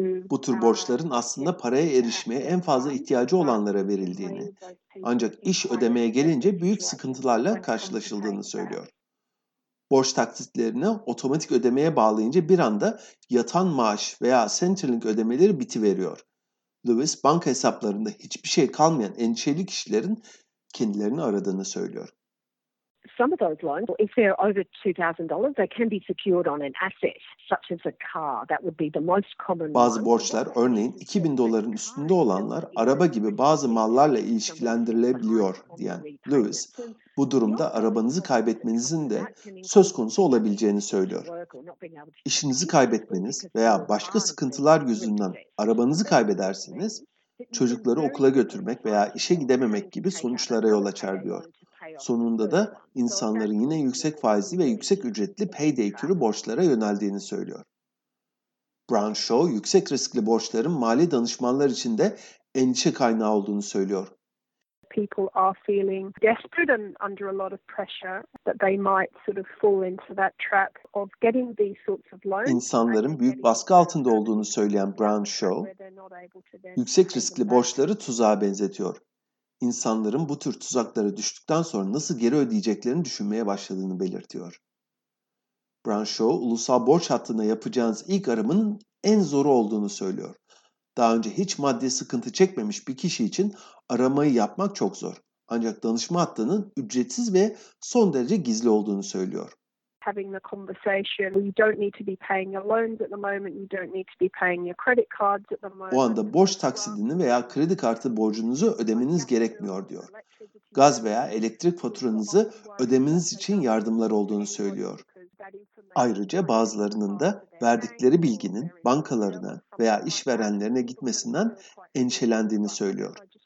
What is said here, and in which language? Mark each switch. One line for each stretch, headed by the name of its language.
Turkish: Bu tür borçların aslında paraya erişmeye en fazla ihtiyacı olanlara verildiğini, ancak iş ödemeye gelince büyük sıkıntılarla karşılaşıldığını söylüyor. Borç taksitlerini otomatik ödemeye bağlayınca bir anda yatan maaş veya Centrelink ödemeleri bitiveriyor. Lewis, banka hesaplarında hiçbir şey kalmayan endişeli kişilerin kendilerini aradığını söylüyor.
English: Some of those loans, if they're over $2,000, they can be secured on an asset such as a car. That would be the most common.
Turkish: Bazı borçlar, örneğin $2,000'ın üstünde olanlar, araba gibi bazı mallarla ilişkilendirilebiliyor diyen Lewis, bu durumda arabanızı kaybetmenizin de söz konusu olabileceğini söylüyor. İşinizi kaybetmeniz veya başka sıkıntılar yüzünden arabanızı kaybederseniz, çocukları okula götürmek veya işe gidememek gibi sonuçlara yol açar diyor. Sonunda da insanların yine yüksek faizli ve yüksek ücretli payday türü borçlara yöneldiğini söylüyor. Brown Shaw, yüksek riskli borçların mali danışmanlar için de endişe kaynağı olduğunu söylüyor.
English: People are feeling desperate and under a lot of pressure that they might sort of fall into that trap of getting these sorts of loans.
Turkish: İnsanların büyük baskı altında olduğunu söyleyen Brown Shaw, yüksek riskli borçları tuzağa benzetiyor. İnsanların bu tür tuzaklara düştükten sonra nasıl geri ödeyeceklerini düşünmeye başladığını belirtiyor. Brown Shaw, ulusal borç hattına yapacağınız ilk aramanın en zoru olduğunu söylüyor. Daha önce hiç maddi sıkıntı çekmemiş bir kişi için aramayı yapmak çok zor. Ancak danışma hattının ücretsiz ve son derece gizli olduğunu söylüyor.
English: Having the conversation, you don't need to be paying your loans at the moment, you don't need to be paying your credit cards at the moment.
Turkish: O anda borç taksidini veya kredi kartı borcunuzu ödemeniz gerekmiyor diyor. Gaz veya elektrik faturanızı ödemeniz için yardımlar olduğunu söylüyor. Ayrıca bazılarının da verdikleri bilginin bankalarına veya işverenlerine gitmesinden endişelendiğini söylüyor.